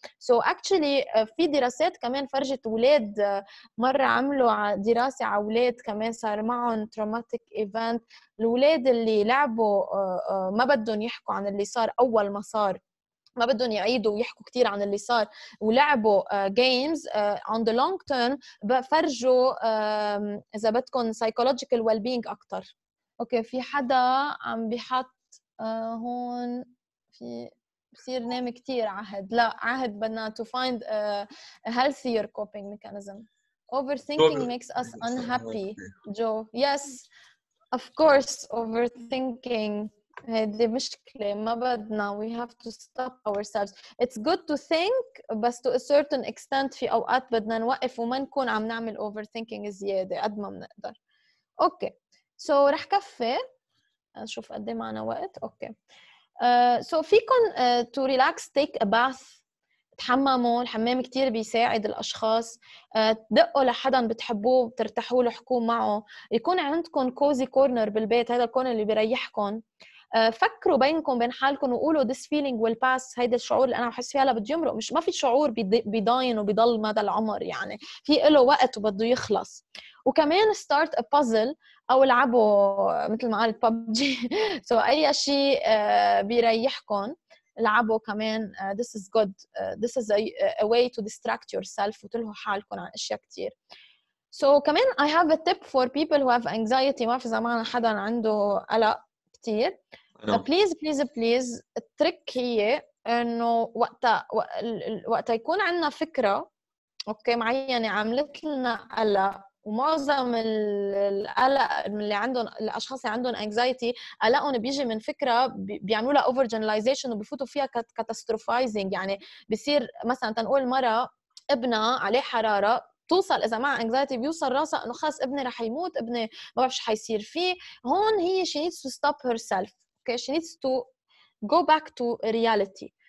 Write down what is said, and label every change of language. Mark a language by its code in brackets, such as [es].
[ar] سو اكتشلي في دراسات كمان فرجت ولاد مرة عملوا دراسة على ولاد كمان صار معهم تروماتيك ايفنت الولاد اللي لعبوا ما بدهم يحكوا عن اللي صار اول ما صار ما بدهم يعيدوا ويحكوا كتير عن اللي صار ولعبوا [en] games on the long term [ar] بفرجوا إذا بدكم psychological well-being أكتر. أوكي في حدا عم بيحط هون في بصير نام كتير عهد لا عهد بدنا [en] to find a healthier coping mechanism. Overthinking makes us unhappy. Joe yes of course overthinking [ar] هذه مشكلة ما بدنا [en] we have to stop ourselves it's good to think but to a certain extent [ar] في أوقات بدنا نوقف وما نكون عم نعمل [en] overthinking [ar] زيادة قد ما بنقدر. Okay so رح كفي نشوف قد ما معنا وقت. Okay so فيكن [en] to relax take a bath [ar] تحمموا الحمام كتير بيساعد الأشخاص تدقوا لحدا بتحبوه ترتاحوا له حكوا معه يكون عندكم cozy corner بالبيت هذا الكون اللي بيريحكم. فكروا بينكم بين حالكم وقولوا [en] this feeling will pass [ar] هيدا الشعور اللي أنا أحس فيه هلا بده يمرق مش ما في شعور بيضاين وبيضل مدى العمر يعني في إله وقت وبده يخلص. وكمان [en] start a puzzle [ar] أو لعبوا مثل ما قالت PUBG سو أي شيء بيريحكم لعبوا كمان [en] this is good, this is a way to distract yourself [ar] وتلهوا حالكم عن أشياء كتير. [en] So كمان I have a tip for people who have anxiety, [ar] ما في زمان حدا عنده قلق كتير. Please please please التريك هي إنه وقتها يكون عندنا فكرة أوكي معينة عملت لنا قلق, ومعظم القلق اللي عندهم الأشخاص اللي عندهم anxiety قلقهم بيجي من فكرة بيعملوا لها over generalization وبيفوتوا فيها catastrophizing. يعني بيصير مثلا تنقول مرة ابنها عليه حرارة, توصل إذا مع anxiety بيوصل راسها إنه خلاص ابني رح يموت, ابني ما بعرف شو حيصير فيه. هون هي [en] she needs to stop herself, okay, she needs to go back to reality.